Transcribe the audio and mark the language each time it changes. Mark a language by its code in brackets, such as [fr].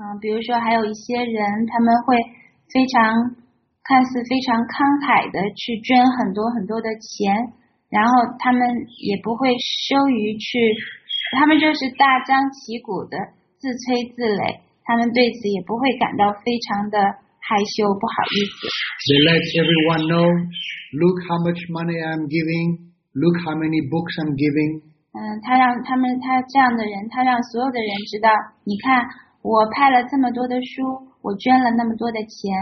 [zh] 比如说还有一些人，他们会非常看似非常慷慨的去捐很多很多的钱，然后他们也不会羞于去，他们就是大张旗鼓的自吹自擂，他们对此也不会感到非常的。害羞不好意思。 [en] They let everyone know, look how much money I'm giving, look how many books I'm giving. [zh] 他这样的人，他让所有的人知道，你看，我派了这么多的书，我捐了那么多的钱。